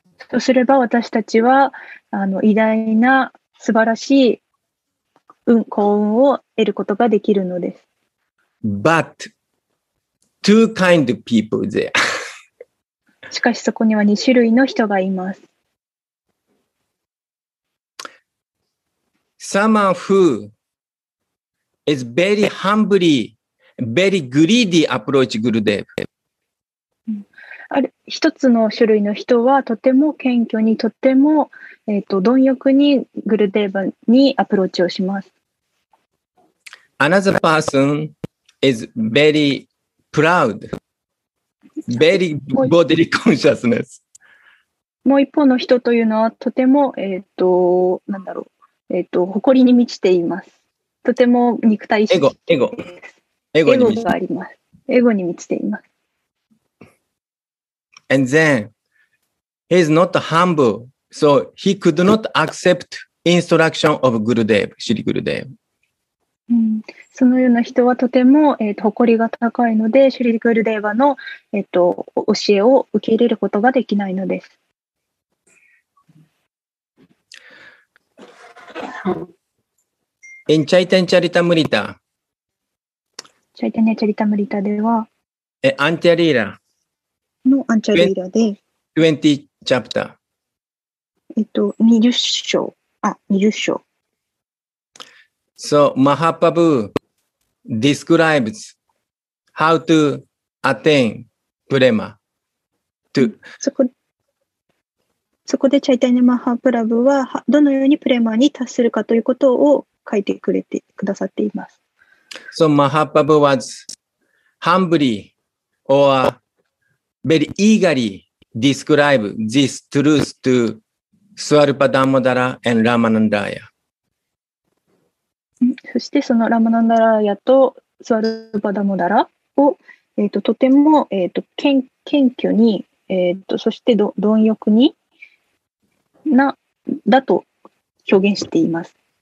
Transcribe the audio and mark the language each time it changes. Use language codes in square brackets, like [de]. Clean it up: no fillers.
[ja] そうすれば私たちは偉大な素晴らしい運幸運を得ることができるのです。 [en] But two kind of people there. [ja] しかしそこには2種類の人がいます。 [en] Someone who is very humbly, very greedy approach Gurudev. [ja] ある一つの種類の人はとても謙虚にとても、貪欲にグルデーバにアプローチをします。 [en] Another person is very proud, very bodily consciousness. [ja] もう一方の人というのはとても、誇りに満ちています。とても肉体意識。エゴに満ちています。 [en] And then he is not humble, so he could not accept instruction of Gurudev, Shri Gurudev. [ja] そのような人はとても、誇りが高いので、シリ・グルデーバの、教えを受け入れることができないのです。 [en] In Chaitanya Charitamrita, [ja] Chaitanya Charitamrita では、アンティアリーラ。のアンチャリーラで [en] 20 chapter? [ja] 20章。 [en] So Mahaprabhu describes how to attain prema. [ja] そこでチャイタニマハプラブはどのようにプレマに達するかということを書いてくれてくださっています。 [en] So Mahaprabhu was humbly or very eagerly describe this truth to Swarupa Damodara and Ramanandaya. [ja] そしてそのラマナンダラヤとスワルパダモダラを、とても、謙虚に、そして貪欲にな、だと表現しています。